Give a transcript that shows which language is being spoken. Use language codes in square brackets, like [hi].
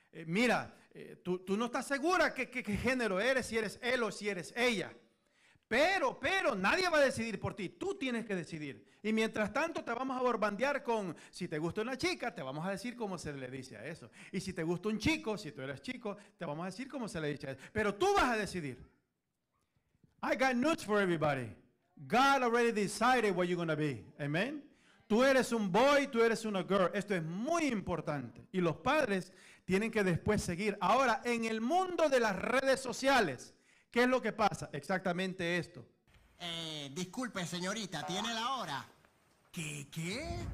[es] Mira, tú no estás segura qué género eres, si eres él o si eres ella. Pero, nadie va a decidir por ti. Tú tienes que decidir. Y mientras tanto, te vamos a borbandear con, si te gusta una chica, te vamos a decir cómo se le dice a eso. Y si te gusta un chico, si tú eres chico, te vamos a decir cómo se le dice a eso. Pero tú vas a decidir. [en] I got news for everybody. God already decided what you're going to be. Amen. [es] Tú eres un boy, tú eres una girl. Esto es muy importante. Y los padres tienen que después seguir. Ahora, en el mundo de las redes sociales, ¿qué es lo que pasa? Exactamente esto. Disculpe, señorita, ¿tiene la hora? ¿Qué?